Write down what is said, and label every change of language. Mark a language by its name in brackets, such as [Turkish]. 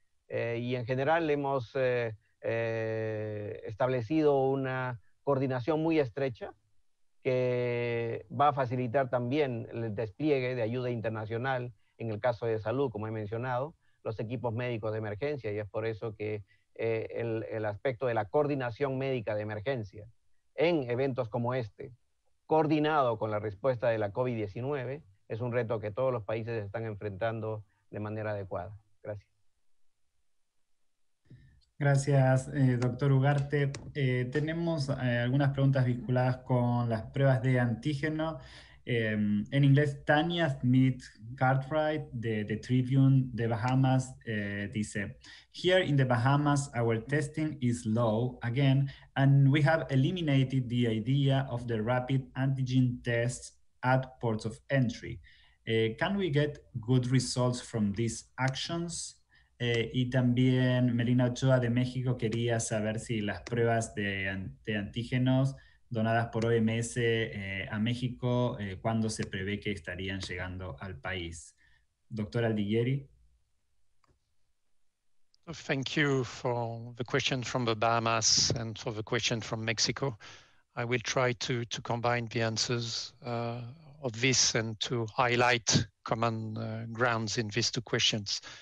[Spanish] Y en general hemos establecido una coordinación muy estrecha que va a facilitar también el despliegue de ayuda internacional en el caso de salud, como he mencionado, los equipos médicos de emergencia, y es por eso que el aspecto de la coordinación médica de emergencia en eventos como este, coordinado con la respuesta de la COVID-19, es un reto que todos los países están enfrentando de manera adecuada. Gracias. Gracias, doctor Ugarte. Tenemos algunas preguntas vinculadas con las pruebas de antígeno. En inglés, Tania Smith Cartwright de The Tribune de Bahamas dice, [English] "Here in the Bahamas, our testing is low again, and we have eliminated the idea of the rapid antigen tests at ports of entry. Can we get good results from these actions? [Spanish] Y también Melina Ochoa de México quería saber si las pruebas de antígenos donadas por OMS a México, ¿cuándo se prevé que estarían llegando al país? Doctor Aldighieri. [English] Thank you for the question from the Bahamas and for the question from Mexico. I will try to combine the answers of this and to highlight common grounds in these two questions.